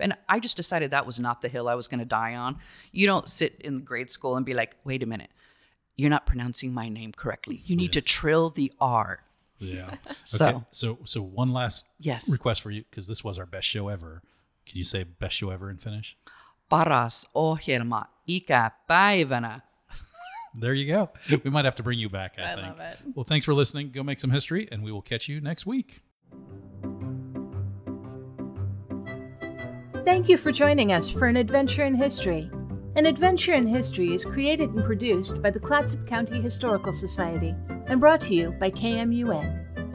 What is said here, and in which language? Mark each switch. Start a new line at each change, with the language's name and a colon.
English: And I just decided that was not the hill I was going to die on. You don't sit in grade school and be like, wait a minute, you're not pronouncing my name correctly. You need to trill the R. Yeah. So, okay. So one last request for you, because this was our best show ever. Can you say best show ever in Finnish?
Finnish: Paras ohjelma ikä päivänä.
English: There you go. We might have to bring you back, I think. I love it. Well, thanks for listening. Go make some history, and we will catch you next week. Thank you for joining us for An Adventure in History. An Adventure in History is created and produced by the Clatsop County Historical Society and brought to you by KMUN.